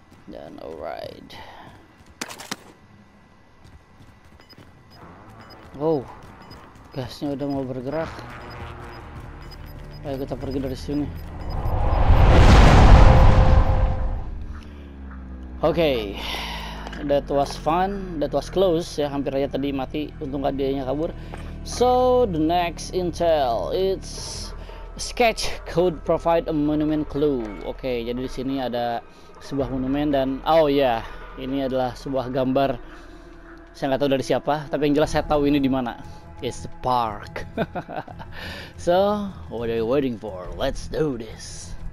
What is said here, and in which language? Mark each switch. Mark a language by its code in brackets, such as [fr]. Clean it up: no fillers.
[id] Dan alright, wow, gasnya udah mau bergerak. Ayo kita pergi dari sini. [en] Okay, that was fun, that was close [id] ya, hampir aja tadi mati, untung adanya kabur. [en] So the next intel, it's sketch could provide a monument clue. [id] Okay, jadi di sini ada sebuah monumen dan oh ya, yeah, ini adalah sebuah gambar. Saya nggak tahu dari siapa, tapi yang jelas saya tahu ini di mana. [en] It's the park. So what are you waiting for? Let's do this.